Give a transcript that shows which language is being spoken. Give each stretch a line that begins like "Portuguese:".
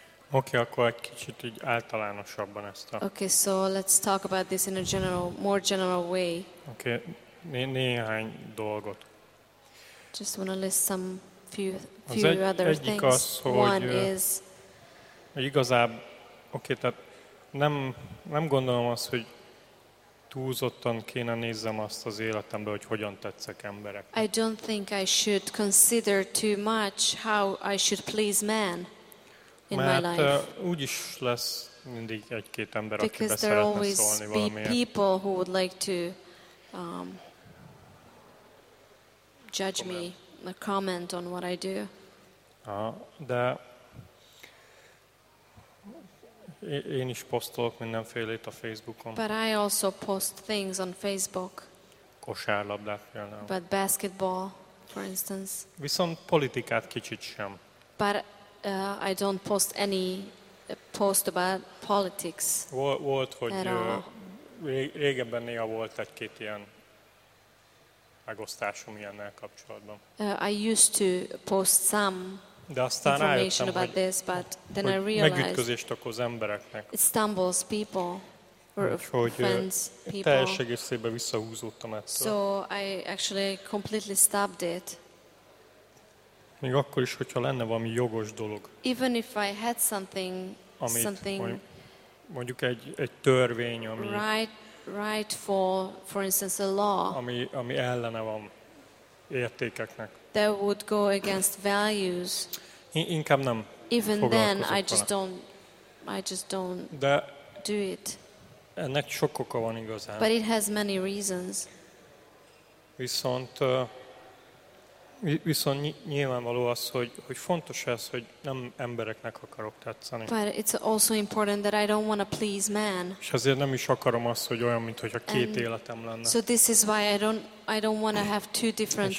Hungarian: Okay, akkor egy kicsit így általánosabban ezt a...
English: Okay, so let's talk about this in a general, more general way.
Hungarian: Okay, néhány dolgot.
English: Just want to list some few other
Hungarian: egyik
English: things.
Hungarian: Az, hogy tehát nem gondolom azt, hogy túlzottan kéne nézzem azt az életembe, hogy hogyan tetszek emberek.
English: I don't think I should consider too much how I should please men in
Hungarian: Mert,
English: my life.
Hungarian: Mert úgyis lesz mindig egy-két ember, aki beszélne szólni valamiért.
English: Because there always be people who would like to judge me, comment on what I do.
Hungarian: De én is posztolok mindenfélét a Facebookon.
English: But I also post things on Facebook.
Hungarian: Kosárlabdát például.
English: But basketball, for instance.
Hungarian: Viszont politikát kicsit sem.
English: But I don't post any post about politics.
Hungarian: Volt, hogy régebben néha volt egy-két ilyen megosztásom ilyennel kapcsolatban.
English: I used to post some
Hungarian: De aztán
English: information
Hungarian: rájöttem,
English: about
Hungarian: hogy,
English: this, but then
Hungarian: hogy
English: I realized
Hungarian: megütközést okoz embereknek.
English: It stumbles people or offends people.
Hungarian: Teljes egészében visszahúzódtam ettől.
English: So I actually completely stopped it.
Hungarian: Még akkor is, hogyha lenne valami jogos dolog.
English: Even if I had something,
Hungarian: amit,
English: something
Hungarian: mondjuk egy törvény, ami
English: right for instance a law.
Hungarian: Ami ellene van értékeknek.
English: That would go against values.
Hungarian: Inkább nem.
English: Even then, I just don't
Hungarian: De
English: do it.
Hungarian: Ennek sok oka van igazán.
English: But it has many reasons.
Hungarian: Viszont nyilvánvaló az, hogy fontos ez, hogy nem embereknek akarok tetszeni.
English: But it's also important that I don't want to please man.
Hungarian: És azért nem is akarom azt, hogy olyan, mint hogyha két életem lenne.
English: So this is why I don't want to have two different lives.